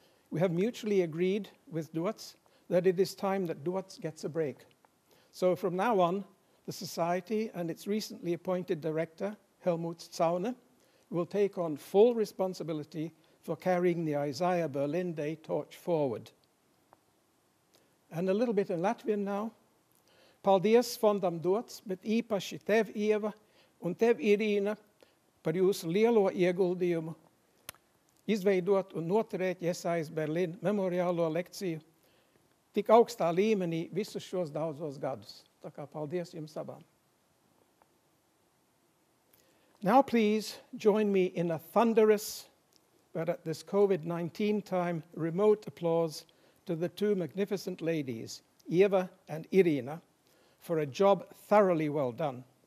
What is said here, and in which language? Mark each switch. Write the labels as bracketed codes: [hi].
[en] We have mutually agreed with DUATS that it is time that DUATS gets a break. So from now on, the society and its recently appointed director, Helmut Zaune, will take on full responsibility for carrying the Jesejas Berlīnas Day torch forward. And a little bit in Latvian now. [lv] Paldies fondam DUATS, bet īpaši tev, Ieva, un tev, Irina, par jūsu lielo ieguldījumu izveidot un noturēt Jesejas Berlīnas memoriālo lekciju tik augstā līmenī visus šos daudzos gadus. Tā kā paldies jums abām. [en] Now please join me in a thunderous, but at this COVID-19 time, remote applause to the two magnificent ladies, Ieva and Irina, for a job thoroughly well done.